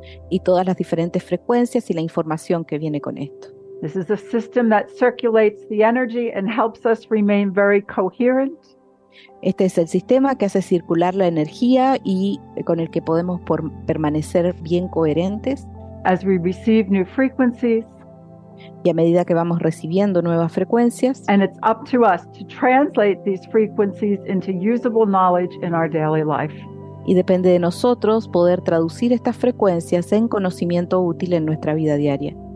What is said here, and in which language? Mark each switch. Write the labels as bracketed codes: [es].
[es] Y todas las diferentes frecuencias y la información que viene con esto. [en] This is a system that circulates the energy and helps us remain very coherent. [es] Este es el sistema que hace circular la energía y con el que podemos permanecer bien coherentes. [en] As we receive new frequencies, [es] y a medida que vamos recibiendo nuevas frecuencias, [en] and it's up to us to translate these frequencies into usable knowledge in our daily life. [es] Y depende de nosotros poder traducir estas frecuencias en conocimiento útil en nuestra vida diaria.